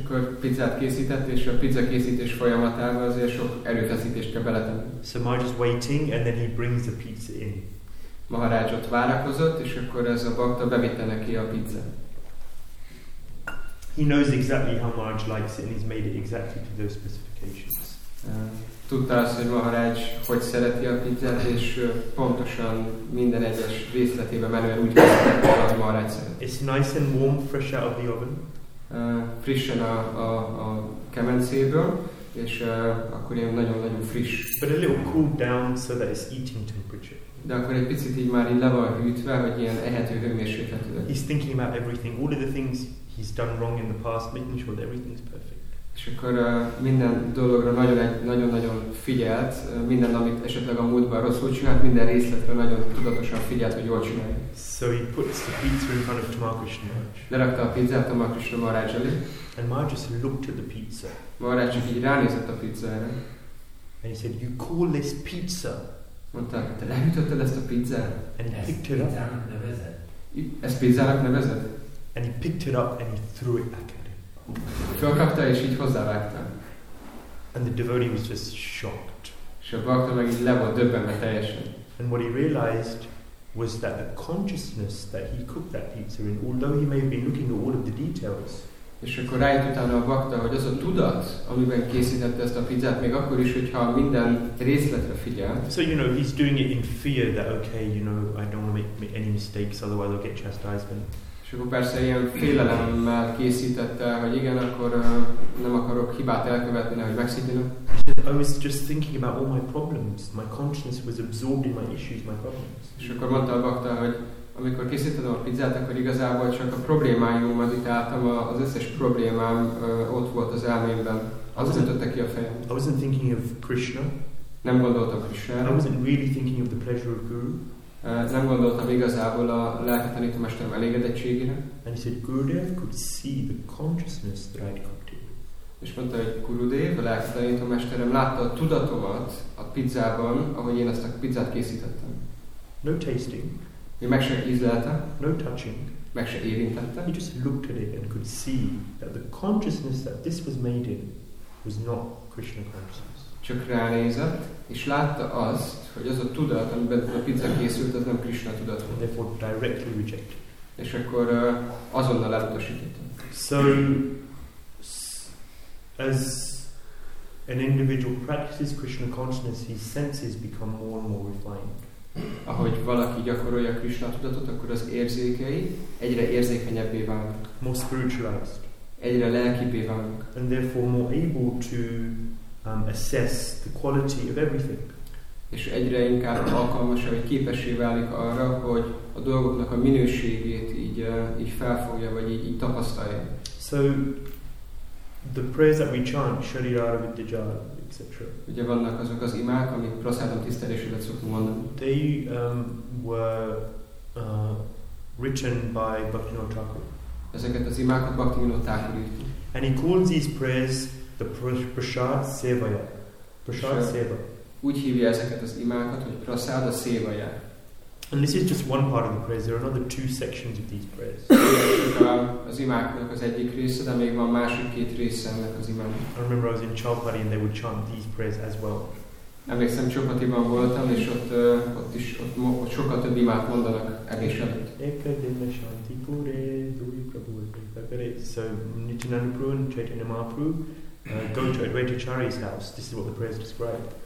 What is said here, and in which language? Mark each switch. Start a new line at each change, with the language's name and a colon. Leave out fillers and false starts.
Hungarian: Akkor pizzát készített, és a pizza készítés folyamatában azért sok erőfeszítést kell beletenni.
English: So Maharaj is waiting, and then he brings the pizza in.
Hungarian: Maharaj ott várakozott, és akkor ez a bakta bevitte neki a pizzát.
English: He knows exactly how Maharaj likes it, and he's made it exactly to those specifications.
Hungarian: Tudta azt, hogy Maharaj hogy szereti a pizzát, és pontosan minden egyes részletében menően úgy készített, hogy Maharaj szeret.
English: It's nice and warm, fresh out of the oven.
Hungarian: Frissen a kemencéből, és akkor ilyen nagyon-nagyon friss.
English: But a little cooled down so that it's eating temperature.
Hungarian: De akkor egy picit így már így le van hűtve, hogy ilyen ehető hőmérséklet legyen.
English: He's thinking about everything, all of the things he's done wrong in the past, making sure that everything is perfect.
Hungarian: És akkor minden dologra nagyon-nagyon figyelt, minden, amit esetleg a múltban rosszul csinált, minden részletre nagyon tudatosan figyelt, hogy jól csinálja.
English: So he puts the pizza in front of Tamakrishna Maharaj.
Hungarian: Lerakta a pizzát Tamakrishna Maharaj elé.
English: And Maharaj just looked at the pizza.
Hungarian: Maharaj csak így ránézett a pizzára.
English: And he said, you call this pizza?
Hungarian: Mondta, te lehűtötted ezt a pizzát?
English: And he picked it up.
Hungarian: Ezt pizzának nevezed?
English: And he picked it up and he threw it back at him.
Hungarian: Fölkapta és így hozzávágta.
English: And the devotee was just shocked.
Hungarian: És a bakta meg így le volt döbbenve teljesen.
English: And what he realized was that the consciousness that he cooked that pizza in, although he may have been looking at all of the details.
Hungarian: És akkor rájött utána a bakta, hogy az a tudat, amiben készítette ezt a pizzát, még akkor is, hogyha minden részletre figyel.
English: So, you know, he's doing it in fear that, okay, you know, I don't want to make any mistakes, otherwise I'll get chastisement.
Hungarian: És akkor persze ilyen félelemmel készítette, hogy igen, akkor nem akarok hibát elkövetni, nehogy megszítenem.
English: I was just thinking about all my problems. My conscience was absorbed in my issues, my problems.
Hungarian: És akkor mondta a bakta, hogy amikor készítettem a pizzát, akkor igazából csak a problémáimon meditáltam, az összes problémám ott volt az elmémben. Az ütötte ki a fejem.
English: I wasn't thinking of Krishna.
Hungarian: Nem gondoltam Krishnára.
English: I wasn't really thinking of the pleasure of Guru.
Hungarian: Nem gondoltam igazából a lelki tanítómesterem elégedettségére.
English: And he said, Gurudev could see the consciousness that I'd cooked in.
Hungarian: És mondta, hogy Gurudev, a lelki tanítómesterem látta a tudatomat a pizzában, ahogy én ezt a pizzát készítettem.
English: No tasting.
Hungarian: Ő meg se ízlelte.
English: No touching.
Hungarian: Meg se érintette.
English: He just looked at it and could see that the consciousness that this was made in was not Krishna consciousness.
Hungarian: Csak ránézett, és látta azt, hogy az a tudat, amiben a pizza készült, az nem Krishna tudat.
English: And therefore directly rejected.
Hungarian: és akkor azonnal elutasítottam.
English: So, as an individual practices Krishna consciousness, his senses become more and more refined.
Hungarian: Ahogy valaki gyakorolja Krishna tudatot, akkor az érzékei egyre érzékenyebbé válnak.
English: More spiritualized.
Hungarian: Egyre lelkibbé válnak.
English: And therefore more able to assess the quality of everything.
Hungarian: És egyre inkább alkalmas, vagy képessé válik arra, hogy a dolgoknak a minőségét így felfogja, vagy így tapasztalja.
English: So, the prayers that we chant, Sharirara Vidyajara, etc.
Hungarian: Ugye vannak azok az imák, amik prasádam tisztelésület szoktunk mondani.
English: They were written by Bhaktivinoda Thakur.
Hungarian: Ezeket az imákat Bhaktivinoda Thakur írta.
English: And he calls these prayers the Prasad Sevaya. Prasad Seva.
Hungarian: Úgy hívja ezeket az imákat, hogy Prasad Sevaya.
English: And this is just one part of the prayers. There are another two sections of these prayers.
Hungarian: Az imáknak az egyik része, de még van másik két része ennek az imának.
English: I remember I was in Chaupati and they would chant these prayers as well.
Hungarian: Emlékszem, Chaupatiban voltam, és ott sokkal több imát mondanak egész előtt.
Bangla: Ekadena Shanti Pure, Dui Prabhu Ekadena.
English: So, Nityananda Prabhu and Chaitanya Mahaprabhu go to Advaita Acharya's house. This is what the prayers describe.